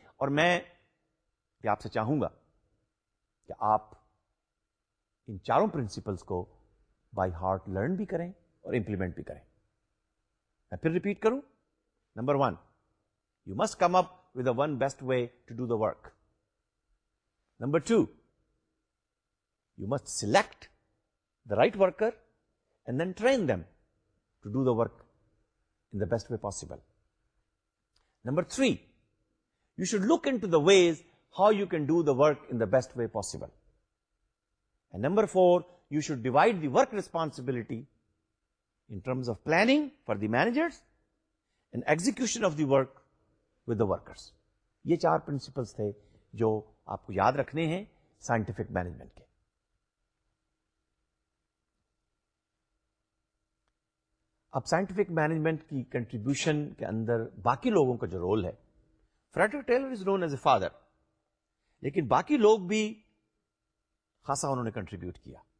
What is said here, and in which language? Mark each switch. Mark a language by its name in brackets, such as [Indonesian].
[Urdu] اور میں آپ سے چاہوں گا کہ آپ ان چاروں پرنسپلز کو بائی ہارٹ لرن بھی کریں اور امپلیمنٹ بھی کریں. میں پھر ریپیٹ کروں, [English] Number one, you must come up with the one best way to do the work. Number two, you must select the right worker and then train them to do the work in the best way possible. Number three, you should look into the ways how you can do the work in the best way possible. And number four, you should divide the work responsibility in terms of planning for the managers and execution of the work with the workers. [Urdu] یہ چار principles تھے جو آپ کو یاد رکھنے ہیں scientific management کے. اب سائنٹیفک مینجمنٹ کی کنٹریبیوشن کے اندر باقی لوگوں کا جو رول ہے, Frederick Taylor [English] is known as a father, [Urdu] لیکن باقی لوگ بھی خاصا انہوں نے کنٹریبیوٹ کیا.